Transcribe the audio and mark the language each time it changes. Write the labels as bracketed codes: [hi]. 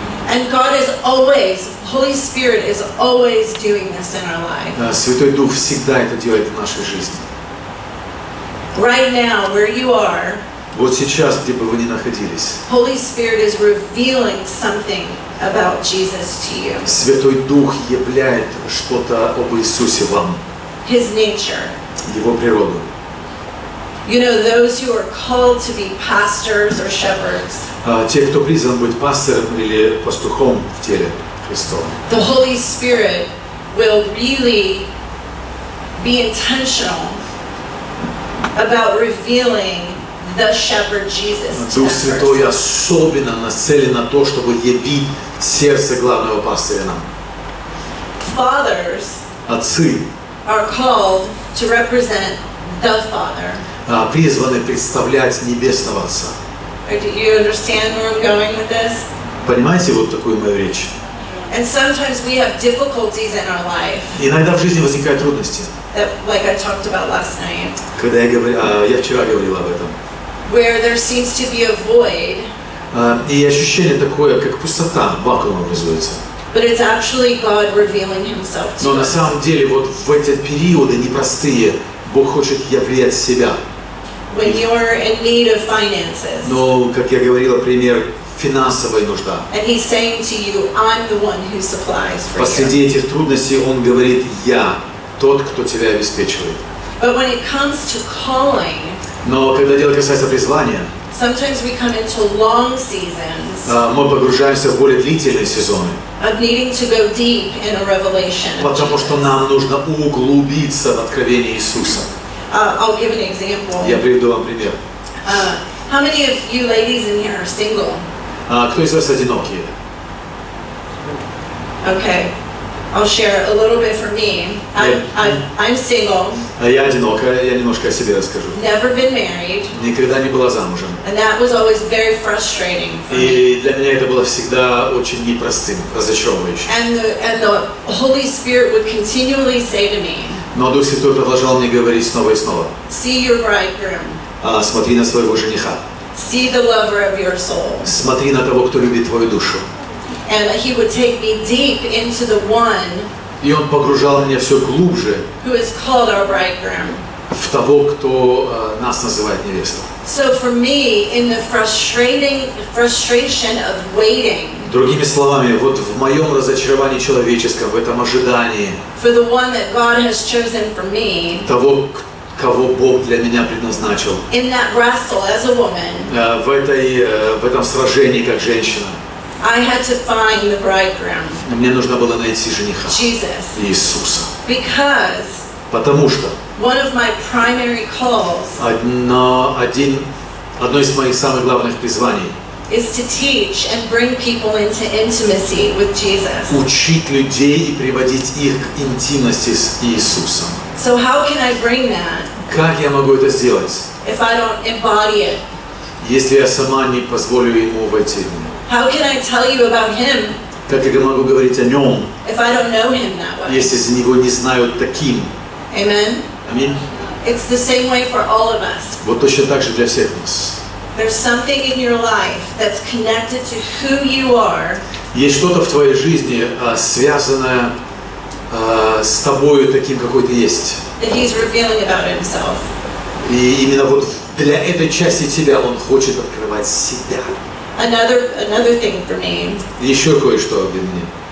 [en] And God is always, Holy Spirit is always doing this in our life. [ru] Святой Дух всегда это делает в нашей жизни. [en] Right now, where you are. [ru] Вот сейчас, где бы вы ни находились. [en] Holy Spirit is revealing something. About Jesus to you. [ru] Святой Дух являет что-то об Иисусе вам. [en] His nature. [ru] Его природу. [en] You know, those who are called to be pastors or shepherds. [ru] Те, кто призван быть пастором или пастухом в теле Христовом. [en] The Holy Spirit will really be intentional about revealing. The Shepherd Jesus. [ru] Дух Святой особенно нацелен на то, чтобы явить сердце главного пастыря нам. [en] Fathers. [ru] Отцы. [en] Are called to represent the Father. [ru] Призваны представлять небесного Отца. [en] Do you understand where I'm going with this? [ru] Понимаете вот такую мою речь? [en] And sometimes we have difficulties in our life. [ru] Иногда в жизни возникают трудности. [en] That, like I talked about last night. [ru] Когда я говорил, я вчера говорил об этом. [en] Where there seems to be a void. [ru] И ощущение такое, как пустота, вакуум образуется. [en] But it's actually God revealing Himself to us. [ru] Но на самом деле вот в эти периоды непростые Бог хочет являть себя. [en] When you're in need of finances. [ru] Но как я говорил, пример. Финансовая нужда. [en] And he's saying to you, I'm the one who supplies for you. [ru] Посреди этих трудностей он говорит, я тот, кто тебя обеспечивает. [en] But when it comes to calling, [ru] но когда дело касается призвания, [en] sometimes we come into long seasons, [ru] мы погружаемся в более длительные сезоны, [en] of needing to go deep in a revelation. [ru] Потому что нам нужно углубиться в откровение Иисуса. [en] I'll give an example. [ru] Я приведу вам пример. [en] How many of you ladies in here are single? [ru] Кто из вас одинокие? [en] Okay, I'll share a little bit for me. I'm single. [ru] Я одинокая, я немножко о себе расскажу. [en] Never been married. [ru] Никогда не была замужем. [en] And that was always very frustrating for me. [ru] И для меня это было всегда очень непростым, разочаровывающим. [en] And the Holy Spirit would continually say to me. [ru] Но Дух Святой продолжал мне говорить снова и снова. [en] See your bridegroom. [ru] Смотри на своего жениха. [en] See the lover of your soul. [ru] Смотри на того, кто любит твою душу. [en] And he would take me deep into the one. [ru] И он погружал меня все глубже. [en] Who is called our bridegroom. [ru] В того, кто нас называет невестой. [en] So for me, in the frustration of waiting. [ru] Другими словами, вот в моем разочаровании человеческом, в этом ожидании. [en] For the one that God has chosen for me. [ru] Того, кого Бог для меня предназначил. [en] In that wrestle, as a woman, [ru] в этом сражении, как женщина, [en] I had to find the bridegroom, [ru] мне нужно было найти жениха, [en] Jesus, [ru] Иисуса. [en] Because [ru] потому что [en] one of my primary calls, [ru] одно из моих самых главных призваний, [en] is to teach and bring people into intimacy with Jesus. [ru] Учить людей и приводить их к интимности с Иисусом. [en] So how can I bring that? [ru] Как я могу это сделать? [en] If I don't embody it. [ru] Если я сама не позволю ему войти. [en] How can I tell you about him? [ru] Как я могу говорить о нем? [en] If I don't know him that way. [ru] Если за него не знаю таким. [en] Amen. Amen. It's the same way for all of us. [ru] Вот точно так же для всех нас. [en] There's something in your life that's connected to who you are. [ru] Есть что-то в твоей жизни, связанное с тобою таким, какой ты есть. [en] That he's revealing about himself. [ru] И именно вот для этой части тебя он хочет открывать себя. [en] Another thing for me. [ru] Еще кое-что для меня.